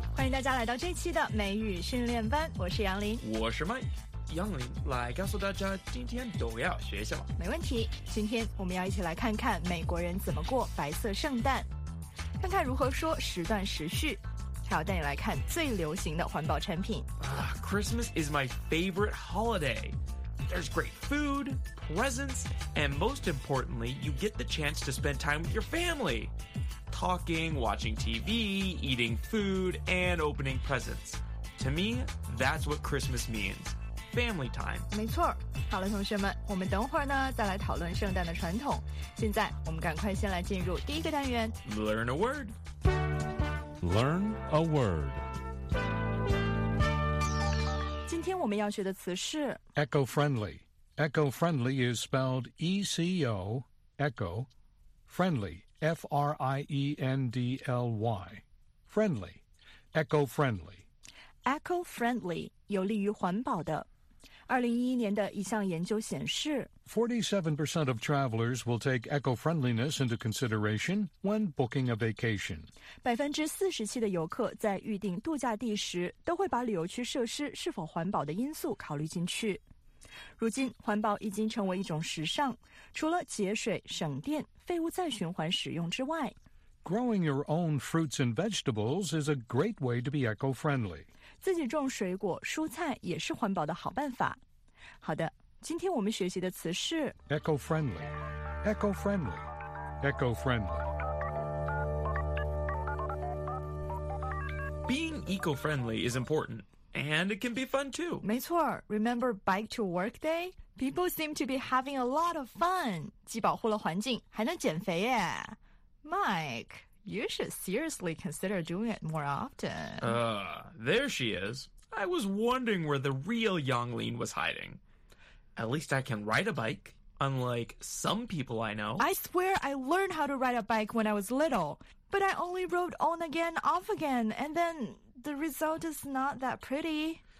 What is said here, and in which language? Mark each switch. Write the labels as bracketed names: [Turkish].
[Chinese] 大家来到这期的美语训练班，我是杨林，我是麦。杨林来告诉大家今天都要学什么。没问题，今天我们要一起来看看美国人怎么过白色圣诞，看看如何说时断时续，还要带你来看最流行的环保产品。 [English] Christmas is my favorite holiday. There's great food, presents, and most importantly, you get the chance to spend time with your family. Talking, watching TV, eating food, and opening presents. To me, that's what Christmas means. Family time. [Chinese] 没错，好了，同学们，我们等会儿呢再来讨论圣诞的传统。现在我们赶快先来进入第一个单元 [English] ，Learn a word. Learn a word. [Chinese] 今天我们要学的词是 [English] eco friendly. Eco friendly is spelled E C O echo friendly F R I E N D L Y friendly eco friendly. [Chinese] Eco friendly 有利于环保的。 2011年的一项研究显示 [English] 47% of travelers will take eco-friendliness into consideration when booking a vacation. [Chinese] 47%的游客在预订度假地时都会把旅游区设施是否环保的因素考虑进去。如今环保已经成为一种时尚，除了节水、省电、废物再循环使用之外， [English] Growing your own fruits and vegetables is a great way to be eco-friendly. [Chinese] 自己种水果、蔬菜也是环保的好办法。好的，今天我们学习的词是 [English] eco-friendly, eco-friendly, eco-friendly. Being eco-friendly is important, and it can be fun too. [Chinese] 没错 [English] ,remember bike to work day? People seem to be having a lot of fun. [Chinese] 既保护了环境还能减肥耶。 [English] Mike, you should seriously consider doing it more often. There she is. I was wondering where the real Yonglin was hiding. At least I can ride a bike, unlike some people I know. I swear I learned how to ride a bike when I was little, but I only rode on again, off again, and then the result is not that pretty.